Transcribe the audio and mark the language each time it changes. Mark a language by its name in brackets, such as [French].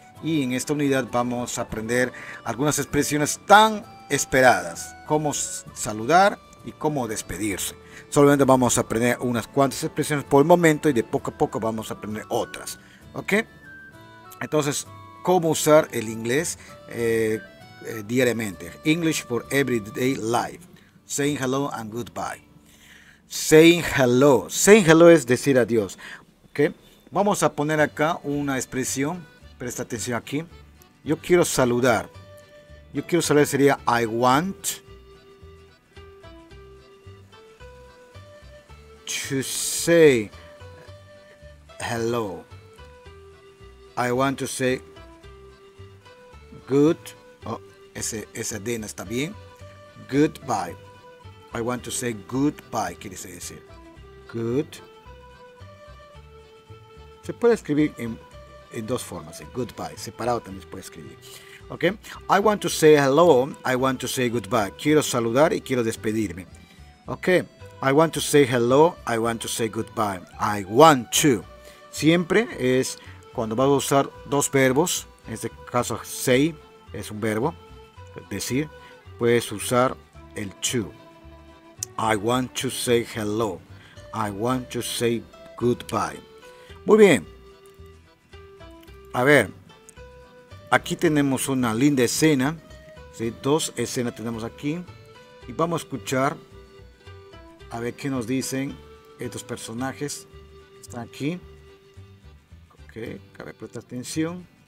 [Spanish] Y en esta unidad vamos a aprender algunas expresiones tan esperadas, cómo saludar y cómo despedirse. Solamente vamos a aprender unas cuantas expresiones por el momento y de poco a poco vamos a aprender otras. ¿Ok? Entonces, cómo usar el inglés diariamente. [English] English for everyday life. Saying hello and goodbye. Saying hello. Saying hello [Spanish] es decir adiós. ¿Ok? Vamos a poner acá una expresión. Presta atención aquí. Yo quiero saludar. Yo quiero saludar sería [English] I want to say hello. I want to say good. [Spanish] Oh, esa D no está bien. Goodbye. [English] I want to say goodbye. [Spanish] Quiere decir good. Se puede escribir en dos formas, goodbye, separado también se puede escribir. [English] Ok, I want to say hello, I want to say goodbye. [Spanish] Quiero saludar y quiero despedirme. [English] Ok, I want to say hello, I want to say goodbye. I want to. [Spanish] Siempre es cuando vas a usar dos verbos, en este caso say es un verbo, es decir, puedes usar el to. [English] I want to say hello, I want to say goodbye. [Spanish] Muy bien. A ver, aquí tenemos una linda escena, ¿sí? Dos escenas tenemos aquí y vamos a escuchar a ver qué nos dicen estos personajes que están aquí. Ok, cabe prestar atención.